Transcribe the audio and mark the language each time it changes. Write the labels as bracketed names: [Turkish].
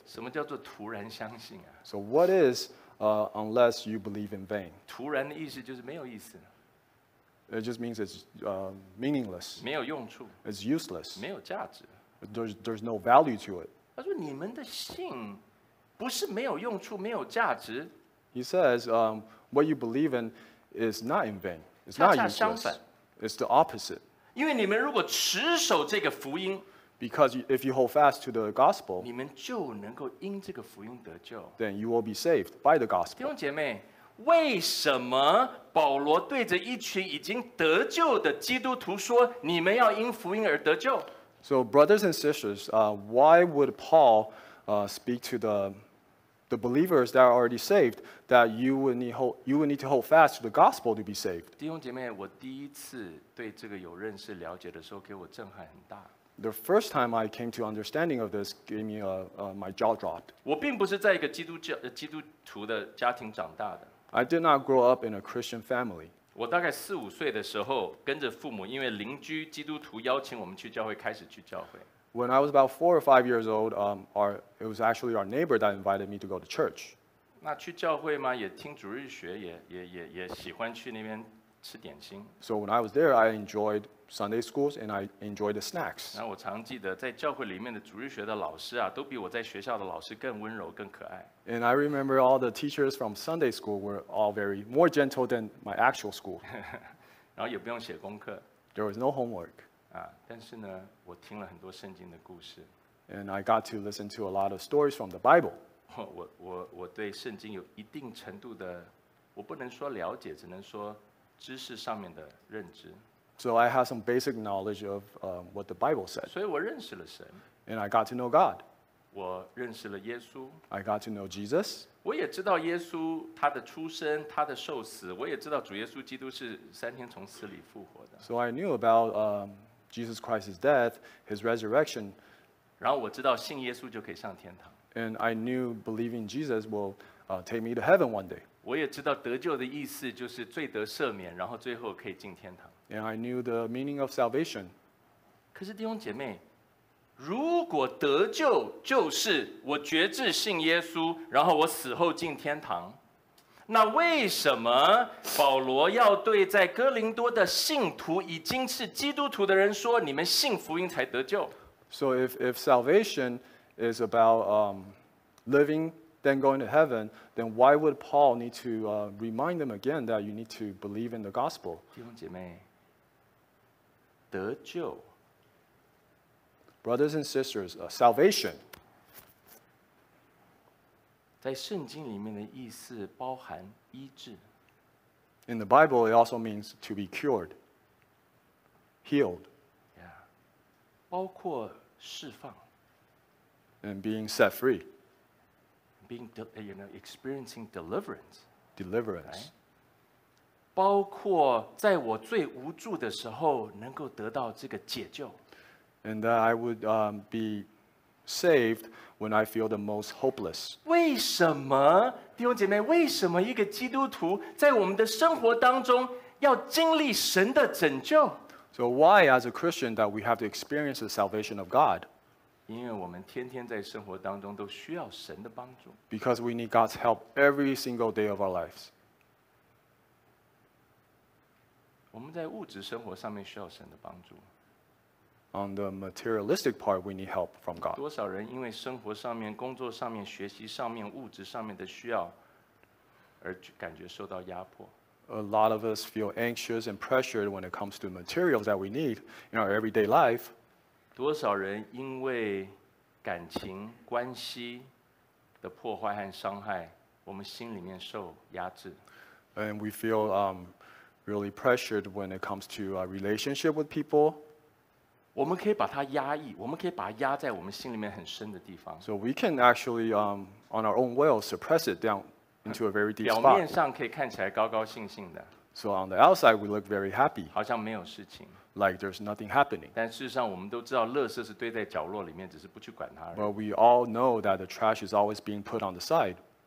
[Chinese] 什么叫做突然相信啊？ [English] So what is, unless you believe in vain? [Chinese] 突然的意思就是没有意思。 [English] It just means it's meaningless. [Chinese] 没有用处。 [English] It's useless. [Chinese] 没有价值。 [English] There's no value to it. [Chinese] 他说你们的信不是没有用处，没有价值。 [English] He says, what you believe in is not in vain. It's not useless. [Chinese] 恰恰相反。 [English] It's the opposite. [Chinese] 因为你们如果持守这个福音 [English] ，because if you hold fast to the gospel， [Chinese] 你们就能够因这个福音得救。 [English] Then you will be saved by the gospel。 [Chinese] 弟兄姐妹，为什么保罗对着一群已经得救的基督徒说，你们要因福音而得救 [English] ？So brothers and sisters, why would Paul speak to the believers that are already saved that you would need to hold fast to the gospel to be saved. [Chinese] 弟兄姐妹，我第一次对这个有认识了解的时候，给我震撼很大。 [English] The first time I came to understanding of this gave me my jaw dropped. [Chinese] 我并不是在一个基督徒的家庭长大的。 [English] I did not grow up in a Christian family. [Chinese] 我大概四五岁的时候，跟着父母，因为邻居基督徒邀请我们去教会，开始去教会。 [English] When I was about 4 or 5 years old, it was actually our neighbor that invited me to go to church. [Chinese] 那去教会吗？也听主日学，也喜欢去那边吃点心。 [English] So when I was there, I enjoyed Sunday schools and I enjoyed the snacks. [Chinese] 那我常记得在教会里面的主日学的老师啊，都比我在学校的老师更温柔、更可爱。 [English] And I remember all the teachers from Sunday school were all very more gentle than my actual school. [Chinese] 然后也不用写功课。 [English] There was no homework. [Chinese] 但是呢，我听了很多圣经的故事。 [English] And I got to listen to a lot of stories from the Bible. [Chinese] 我对圣经有一定程度的，我不能说了解，只能说知识上面的认知。 [English] So I have some basic knowledge of what the Bible said. [Chinese] 所以我认识了神。 [English] And I got to know God. [Chinese] 我认识了耶稣。 [English] I got to know Jesus. [Chinese] 我也知道耶稣他的出生，他的受死，我也知道主耶稣基督是三天从死里复活的。 [English] So I knew about Jesus Christ's death, his resurrection. [Chinese] 然后我知道信耶稣就可以上天堂。 [English] And I knew believing Jesus will take me to heaven one day. [Chinese] 我也知道得救的意思就是罪得赦免，然后最后可以进天堂。 [English] And I knew the meaning of salvation. [Chinese] 可是弟兄姐妹，如果得救就是我决志信耶稣，然后我死后进天堂，那为什么保罗要对在哥林多的信徒已经是基督徒的人说，你们信福音才得救 [English] ？So if salvation is about living, then going to heaven, then why would Paul need to remind them again that you need to believe in the gospel？ [Chinese] 弟兄姐妹，得救 [English] ，brothers and sisters, salvation。 [Chinese] 在圣经里面的意思包含医治。 [English] In the Bible, it also means to be cured, healed. [Chinese] Yeah, 包括释放。 [English] And being set free. Being, experiencing deliverance. Deliverance. Right? [Chinese] 包括在我最无助的时候能够得到这个解救。 [English] And that I would be saved. When I feel the most hopeless. [Chinese] 为什么弟兄姐妹，为什么一个基督徒在我们的生活当中要经历神的拯救？ [English] So why as a Christian that we have to experience the salvation of God? [Chinese] 因为我们天天在生活当中都需要神的帮助。 [English] Because we need God's help every single day of our lives. [Chinese] 我们在物质生活上面需要神的帮助。 [English] On the materialistic part, we need help from God. [Chinese] 多少人因为生活上面、工作上面、学习上面、物质上面的需要，而感觉受到压迫。 [English] A lot of us feel anxious and pressured when it comes to materials that we need in our everyday life. [Chinese] 多少人因为感情关系的破坏和伤害，我们心里面受压制。 [English] And we feel really pressured when it comes to our relationship with people. [Chinese] 我们可以把它压抑，我们可以把它压在我们心里面很深的地方。 [English] So we can actually, on our own will, suppress it down into a very deep spot. [Chinese] 表面上可以看起来高高兴兴的。 [English] So on the outside, we look very happy. [Chinese] 好像没有事情。 [English] Like there's nothing happening. [Chinese] 但事实上，我们都知道，垃圾是堆在角落里面，只是不去管它而已。 [English] But we all know that the trash is always being put on the side.